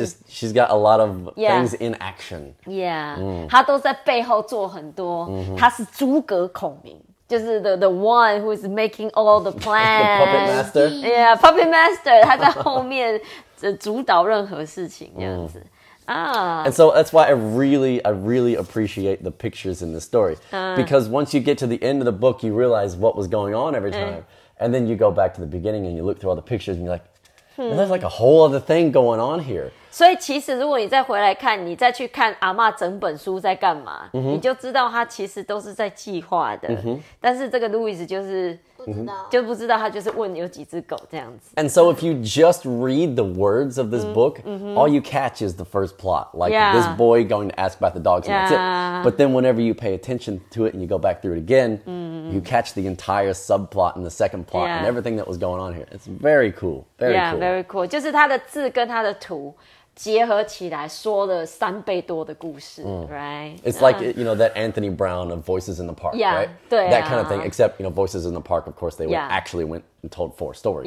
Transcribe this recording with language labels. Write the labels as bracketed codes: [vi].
[en] She's got a lot of things in action. [zh] Yeah， 他都在背后做很多。他是诸葛孔明，就是 [en] the one who is making all the plans. The puppet master. Yeah， puppet master， [zh] 他在后面。主导任何事情这样子啊、 [en] And so that's why I really appreciate the pictures in the story、because once you get to the end of the book you realize what was going on every time、and then you go back to the beginning and you look through all the pictures and you're like、there's like a whole other thing going on here [zh] 所以其实如果你再回来看你再去看阿嬷整本书在干嘛、你就知道他其实都是在计划的、但是这个 Louis 就是不知道就不知道他就是问有几只狗这样子。 [en] And so if you just read the words of this book, all you catch is the first plot. Like this boy going to ask about the dogs and that's it. But then whenever you pay attention to it and you go back through it again, you catch the entire subplot and the second plot and everything that was going on here. It's very cool. Very cool. [zh] 就是他的字跟他的图结合起来说了三倍多的故事、 [en] right? It's like, you know, that Anthony Brown of Voices in the Park, yeah, right? [zh] 对啊, [en] that kind of thing, except, you know, Voices in the Park, of course, they actually went and told four stories.